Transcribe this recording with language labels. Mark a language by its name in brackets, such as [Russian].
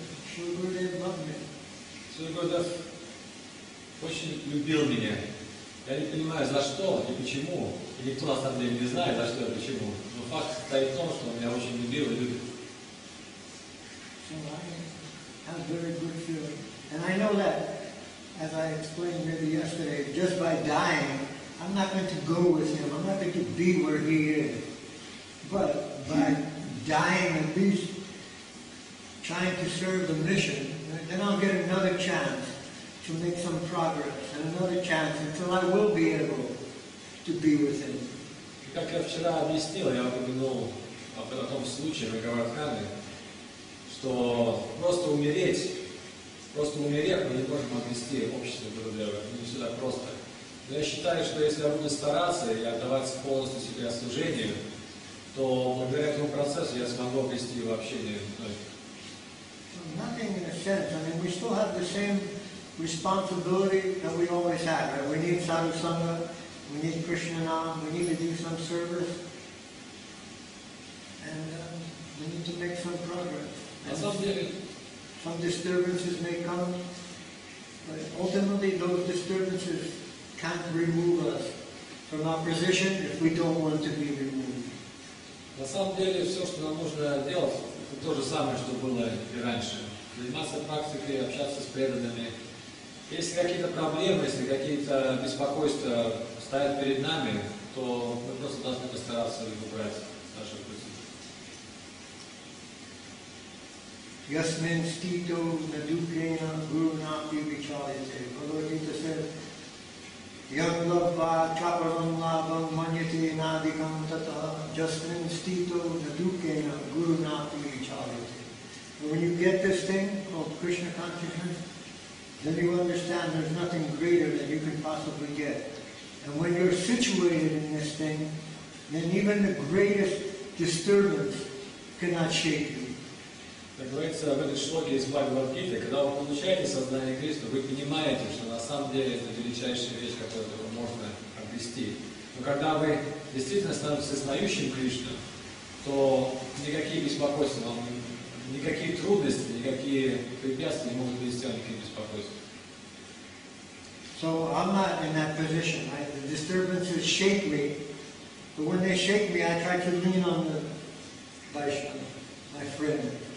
[English] Shri Guru Dev loved me. [Russian] Shri Guru Dev очень любил меня. Я не понимаю, за что и почему. И никто на самом деле не знает, за что и почему. Но факт стоит в том, что он меня очень любил и любит. [English] So I have a very good feeling. And I know that, as I explained maybe yesterday, just by dying, I'm not going to go with him. I'm not going to be where he is. But by dying at least, trying to serve the mission, then I'll get another chance to make some progress, and another chance until I will be able to be with him. [Russian] Как я вчера объяснил, я упомянул о том случае в Гавардхане, что просто умереть мы не можем обрести общество Гурудева. Не все так просто. Но я считаю, что если я буду стараться и отдавать полностью себя служению, то благодаря этому процессу я смогу обрести его общение. [English] Nothing in a sense. I mean, we still have the same responsibility that we always have. Right? We need Sadhu Sangha, we need Krishna, we need to do some service, and we need to make some progress. And some disturbances may come, but ultimately those disturbances can't remove us from our position if we don't want to be removed. [Russian] На самом деле, все, что нам нужно делать, это то же самое, что было и раньше. Заниматься практикой, общаться с преданными. Если какие-то проблемы, если какие-то беспокойства стоят перед нами, то мы просто должны постараться их убрать с нашего пути. [Sanskrit] Ясмин стито надукена гуруна пивичалите. [Russian] Бхагавад-гита говорит, [Sanskrit] Ягдлабва чапарам лабам маньяте надикам тата Ясмин стито надукена гуруна пивичалите. [English] When you get this thing called Krishna consciousness, then you understand there's nothing greater that you can possibly get. And when you're situated in this thing, then even the greatest disturbance cannot shake you. [Russian] Как говорится в этой шлоке из Бхагавад-гиты, когда вы получаете сознание Кришны, вы понимаете, что на самом деле это величайшая вещь, которую можно обрести. Но когда вы действительно становитесь знающим Кришну, то никакие беспокойства вам не нужны. Никакие трудности, никакие препятствия не могут привести к никаким беспокойствам. [English] So I'm not in that position. Right? The disturbances shake me, but when they shake me, I try to lean on the Vaishnava, my friend.